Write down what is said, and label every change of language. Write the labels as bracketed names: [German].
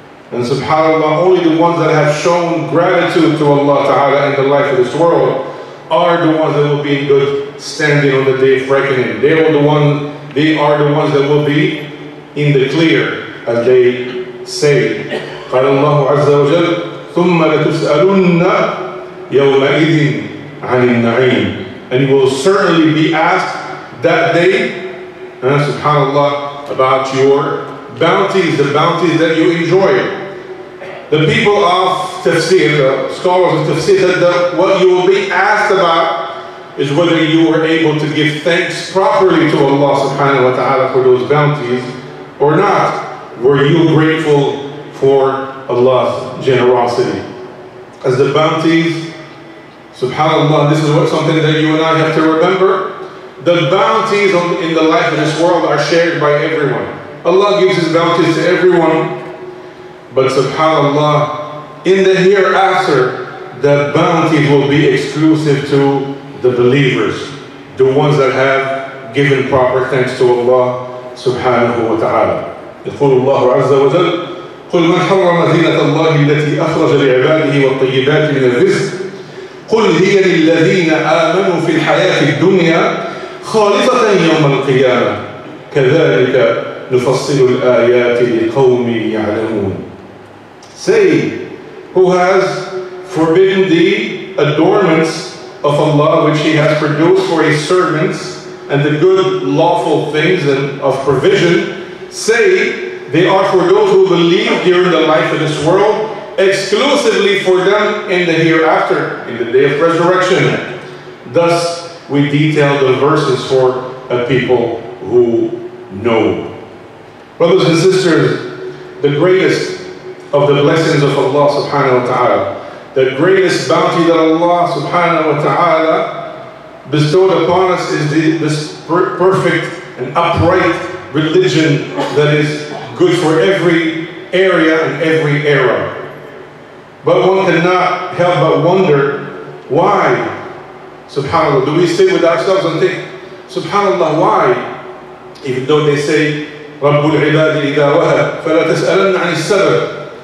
[English] And subhanAllah, only the ones that have shown gratitude to Allah Ta'ala in the life of this world are the ones that will be in good standing on the day of reckoning. They are the ones that will be in the clear, as they say. [Arabic] قال الله عز وجل ثم لتسألن يومئذ عن النعيم. [English] And you will certainly be asked that day, subhanAllah, about your bounties, the bounties that you enjoy. The people of Tafsir, the scholars of Tafsir, said that what you will be asked about is whether you were able to give thanks properly to Allah subhanahu wa ta'ala for those bounties or not. Were you grateful for Allah's generosity? As the bounties, subhanAllah, this is something that you and I have to remember. The bounties in the life of this world are shared by everyone. Allah gives His bounties to everyone. But subhanAllah, in the hereafter, the bounties will be exclusive to the believers, the ones that have given proper thanks to Allah subhanahu wa ta'ala. [Arabic] يقول الله عز وجل قل من حرم زينة الله التي أخرج لعباده والطيبات من الرزق قل هي للذين آمنوا في الحياة الدنيا خالصة يوم القيامة كذلك نفصل الآيات لقوم يعلمون. [English] Say, who has forbidden the adornments of Allah which He has produced for His servants and the good lawful things and of provision, say, they are for those who believe during the life of this world, exclusively for them in the hereafter, in the day of resurrection. Thus, we detail the verses for a people who know. Brothers and sisters, the greatest of the blessings of Allah subhanahu wa ta'ala, the greatest bounty that Allah subhanahu wa ta'ala bestowed upon us is this perfect and upright religion that is good for every area and every era. But one cannot help but wonder why, subhanAllah, do we sit with ourselves and think, subhanAllah, why? Even though they say, [Arabic] رَبُّ الْعِبَادِ إِذَا وَهَبْ فَلَا تَسْأَلَنَّ عَنِ السَّبَبِ.